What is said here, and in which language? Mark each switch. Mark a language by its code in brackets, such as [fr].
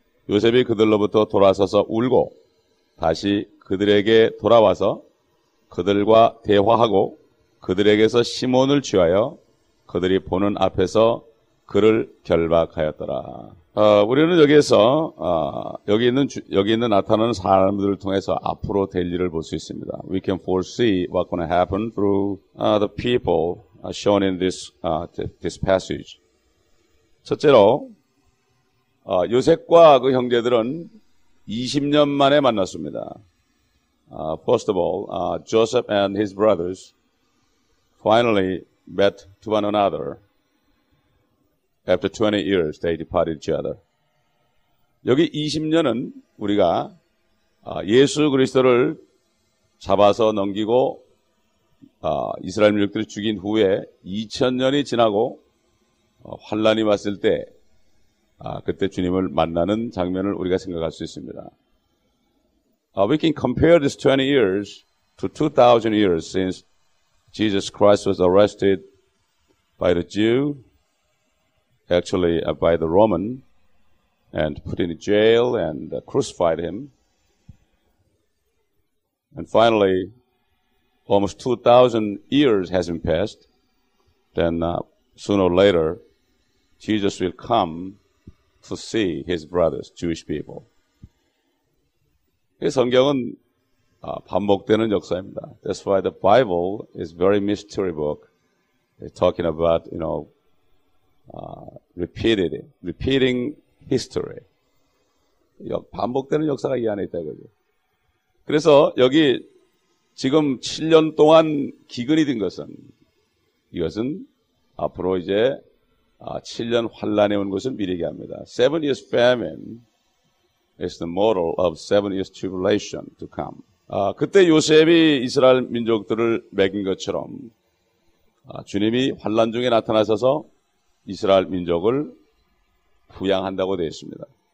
[ko] 요셉이 그들로부터 돌아서서 울고 다시 그들에게 돌아와서 그들과 대화하고 그들에게서 시몬을 취하여 그들이 보는 앞에서 그를 결박하였더라. 우리는 여기에서 여기 있는 나타나는 사람들을 통해서 앞으로 될 일을 볼 수 있습니다. [en] We can foresee what's going to happen through the people shown in this passage. [ko] 첫째로 요셉과 그 형제들은 20년 만에 만났습니다. [en] First of all, Joseph and his brothers finally met to one another. After 20 years, they departed each other. [ko] 여기 20년은 우리가 예수 그리스도를 잡아서 넘기고 이스라엘 민족들이 죽인 후에 2000년이 지나고 환난이 왔을 때 그때 주님을 만나는 장면을 우리가 생각할 수 있습니다. [en] We can compare these 20 years to 2000 years since Jesus Christ was arrested by the Jew, actually by the Roman, and put in jail and crucified him. And finally, almost 2000 years has been passed. Then sooner or later, Jesus will come to see his brothers, Jewish people. [ko] 이 성경은 반복되는 역사입니다. [en] That's why the Bible is a very mystery book. It's talking about, you know, repeating history. [ko] 반복되는 역사가 이 안에 있다 이거죠. 그래서 여기 지금 7년 동안 기근이 된 것은 이것은 앞으로 이제 7년 환란에 온 것을 미리 얘기합니다. [en] 7 years famine. It's the model of 7 years tribulation to come. [ko] 그때 요셉이 이스라엘 민족들을 매긴 것처럼 주님이 환난 중에 나타나셔서 이스라엘 민족을 부양한다고 되어 있습니다.